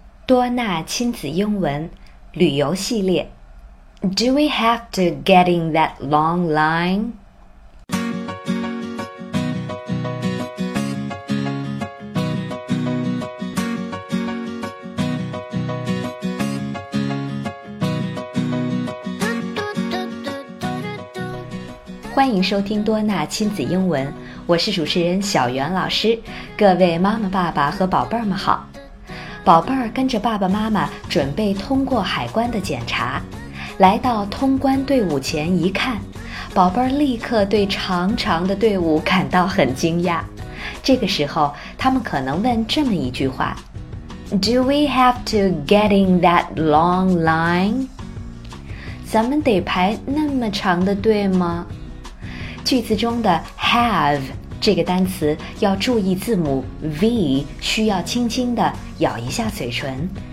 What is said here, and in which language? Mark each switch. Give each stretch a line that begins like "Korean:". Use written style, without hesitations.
Chinese: 多纳亲子英文旅游系列。
English: Do we have to get in that long line?
Chinese: 欢迎收听多纳亲子英文，我是主持人小袁老师。各位妈妈爸爸和宝贝儿们好。宝贝儿跟着爸爸妈妈准备通过海关的检查，来到通关队伍前一看，宝贝儿立刻对长长的队伍感到很惊讶。这个时候，他们可能问这么一句话 Do we have to get in that long line? 咱们得排那么长的队吗？句子中的 have这个单词要注意字母 V， 需要轻轻地咬一下嘴唇。